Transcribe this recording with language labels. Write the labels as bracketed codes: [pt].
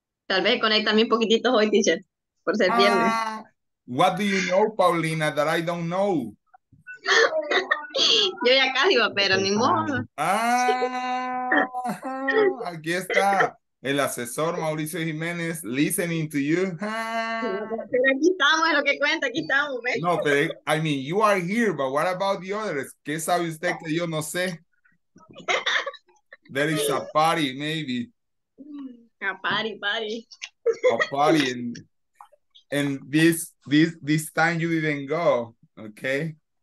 [es] Tal vez conectame un poquitito hoy, teacher, por ser viernes. [en] What do you know, Paulina, that I don't know? [es] Yo ya casi iba, pero ni modo. Ah, aquí está el asesor Mauricio Jiménez [en] listening to you. [es] Pero aquí estamos, es lo que cuenta, aquí estamos. ¿Ves? [en] No, pero, I mean, you are here, but what about the others? [es] ¿Qué sabe usted que yo no sé? [en] There is a party, maybe. A party. And this time you didn't go, okay?